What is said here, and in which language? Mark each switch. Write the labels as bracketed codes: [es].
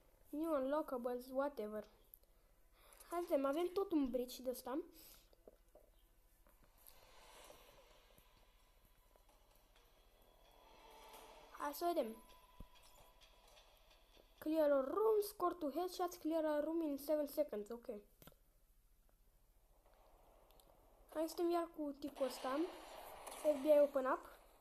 [en] New unlockables, whatever. [ro] Hai să vedem, avem tot un bridge de ăsta. Hai să vedem. [en] Clear a room, score two headshots, clear a room in 7 seconds. Ok. [ro] Hai să vedem iar cu tipul ăsta. [en] FBI open up.